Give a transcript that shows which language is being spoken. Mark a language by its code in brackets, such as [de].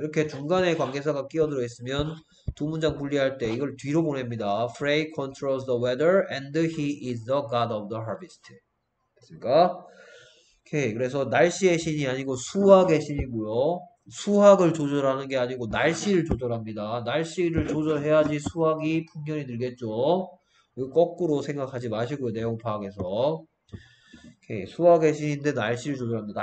[ko] 이렇게 중간에 관계사가 끼어들어 있으면 두 문장 분리할 때 이걸 뒤로 보냅니다. [en] Frey controls the weather and he is the god of the harvest. [ko] 됐습니까? 오케이, 그래서 날씨의 신이 아니고 수학의 신이고요. 수학을 조절하는 게 아니고 날씨를 조절합니다. 날씨를 조절해야지 수학이 풍년이 들겠죠. 거꾸로 생각하지 마시고요, 내용 파악해서. 오케이, 수학의 신인데 날씨를 조절합니다.